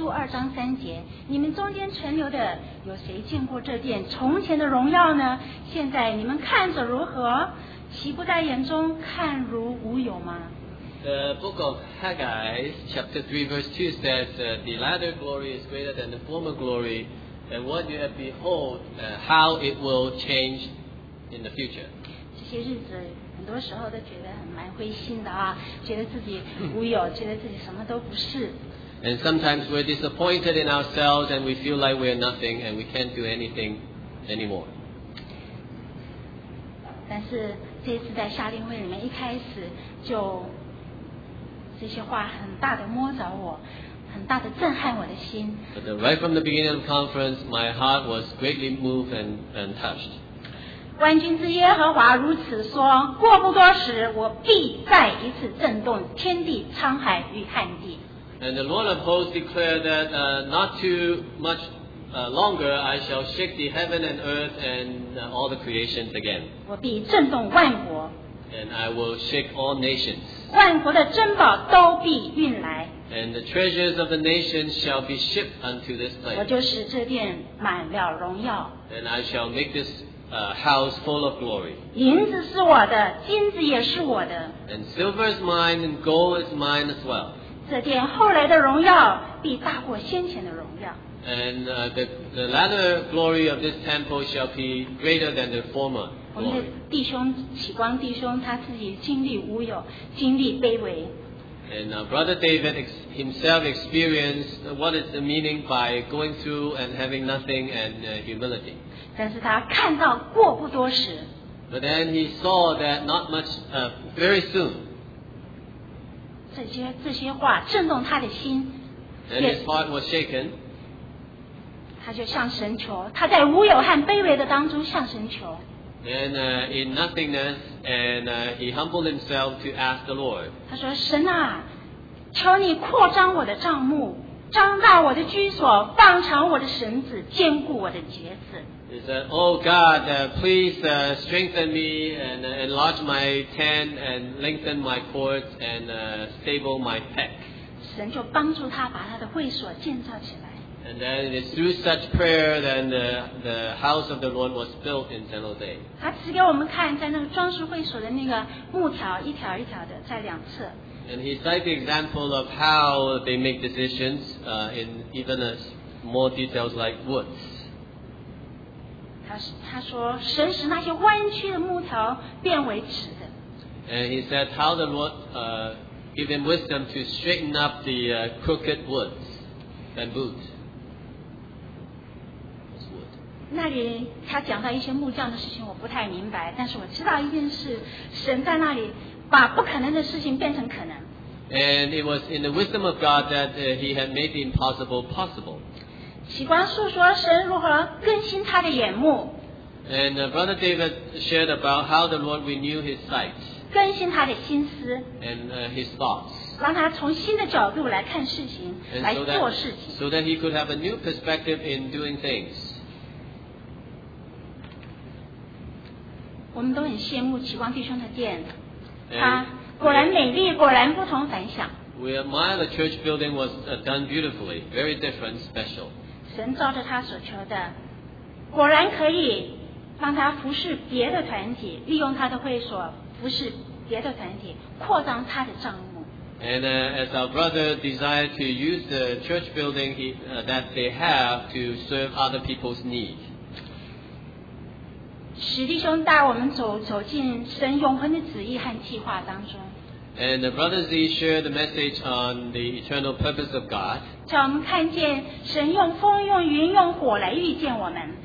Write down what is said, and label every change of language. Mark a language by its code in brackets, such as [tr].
[zh] 章三节，你们中间存留的有谁见过这殿从前的荣耀呢？现在你们看着如何？岂不在眼中看如无有吗？ [en] The book of Haggai, chapter 3, verse 2 says, the latter glory is greater than the former glory, and what you have behold, how it will change in the future. [zh] 这些日子很多时候都觉得蛮灰心的啊，觉得自己无有，觉得自己什么都不是。 [en] And sometimes we're disappointed in ourselves and we feel like we're nothing and we can't do anything anymore. [zh] 但是这次在夏令会里面一开始就这些话很大的摸着我，很大的震撼我的心。 [en] But then right from the beginning of the conference, my heart was greatly moved and touched. [zh] 万军之耶和华如此说，过不多时我必再一次震动天地沧海与旱地。 [en] And the Lord of hosts declared that not too much longer I shall shake the heaven and earth and all the creations again. [zh] 我必震动万国。 [en] And I will shake all nations. [zh] 万国的珍宝都必运来。 [en] And the treasures of the nations shall be shipped unto this place. [zh] 我就使这殿满了荣耀。 [en] And I shall make this house full of glory. [zh] 银子是我的，金子也是我的。 [en] And silver is mine and gold is mine as well. [zh] 这殿后来的荣耀必大过先前的荣耀。 [en] And the latter glory of this temple shall be greater than the former glory. [zh] 我们的弟兄启光弟兄他自己经历无有，经历卑微。 [en] And brother David himself experienced what is the meaning by going through and having nothing and humility. [zh] 但是他看到过不多时。 [en] But then he saw that not much, very soon. [zh] 这些话震动他的心。 [en] And his heart was shaken. [zh] 他就向神求，他在无有和卑微的当中向神求。 [en] And in nothingness, and he humbled himself to ask the Lord. [zh] 他说：“神啊，求你扩张我的帐幕，张大我的居所，放长我的绳子，坚固我的节子。” [en] He said, "Oh God, please strengthen me and enlarge my tent and lengthen my cords and stable my pack." [zh] 神就帮助他把他的会所建造起来。 [en] And then it is through such prayer that the house of the Lord was built in San Jose. [zh] 他指给我们看，在那个装饰会所的那个木条，一条一条的，在两侧。 [en] And he cited the example of how they make decisions in even more details like woods. [zh] 他说神使那些弯曲的木条变为直的。 [en] And he said how the Lord gave him wisdom to straighten up the crooked woods, bamboos. [zh] 那里他讲到一些木匠的事情我不太明白，但是我知道一件事，神在那里把不可能的事情变成可能。 [en] And it was in the wisdom of God that he had made the impossible possible. [zh] 启光述说神如何更新他的眼目。 [en] And brother David shared about how the Lord renewed his sight. [zh] 更新他的心思。 [en] And his thoughts. [zh] 让他从新的角度来看事情，来做事情。 [en] So that he could have a new perspective in doing things. [zh] 我们都很羡慕启光弟兄的殿。果然美丽，果然不同凡响。 [en] We admire the church building was done beautifully, very different, special. [zh] 神照着他所求的，果然可以让他服侍别的团体，利用他的会所服侍别的团体，扩张他的帐幕。 [en] And as our brother desired to use the church building that they have to serve other people's needs. [zh] 史弟兄带我们走进神永恒的旨意和计划当中。 [en] And the brother Z shared the message on the eternal purpose of God. [zh] 叫我们看见神用风、用云、用火来遇见我们。